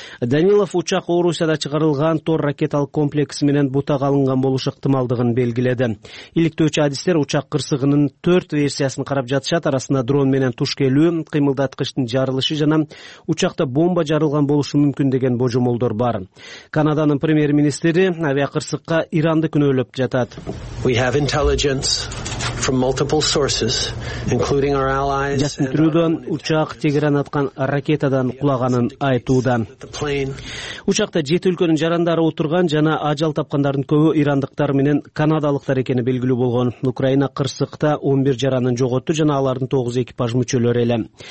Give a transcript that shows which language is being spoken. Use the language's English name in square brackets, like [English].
[Kyrgyz] Данилов учак Орусияда чыгарылган тор ракеталык комплекс менен бутага алынган болушу ыктымалдыгын белгиледи. Иликтөөчү адистер учак кырсыгынын 4 версиясын карап жатышат, арасында дрон менен туш келүү, кыймылдаткычтын жарылышы жана учакта бомба жарылган болушу мүмкүн деген божомолдор бар. Канаданын премьер-министри авиакырсыкка Иранды күнөөлөп жатат. [English] We have intelligence from multiple sources, including our allies. [Kyrgyz] Жасын Трюдон учак Тегеран аткан ракетадан кулаганын айтууда. Учакта 7 өлкөнүн жарандары отурган жана ажал тапкандардын көбү ирандыктар менен канадалыктар экени белгилүү болгон. Украина кырсыкта 11 жаранын жоготту жана алардын 9 экипаж мүчөлөрү эле.